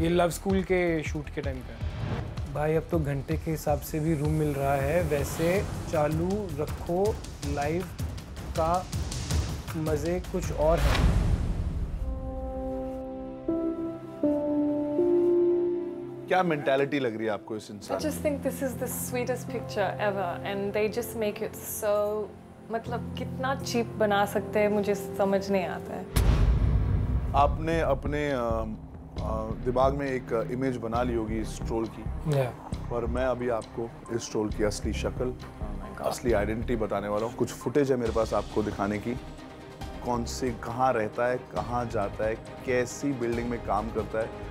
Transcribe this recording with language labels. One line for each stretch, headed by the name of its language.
Hindi: ये love school के shoot के टाइम पे भाई, अब तो घंटे के हिसाब से भी रूम मिल रहा है. वैसे चालू रखो, लाइव का मजे कुछ और है. क्या मेंटालिटी लग रही है आपको इस इंसान?
English: I just think this is the sweetest picture ever and they just make it so,
Hindi: मतलब कितना चीप बना सकते हैं मुझे समझ नहीं आता है. आपने अपने दिमाग में एक इमेज बना ली होगी इस ट्रोल की, पर मैं अभी आपको इस ट्रोल की असली शक्ल, असली आइडेंटिटी बताने वाला हूँ। कुछ फुटेज है मेरे पास आपको दिखाने की, कौन से कहाँ रहता है, कहाँ जाता है, कैसी बिल्डिंग में काम करता है।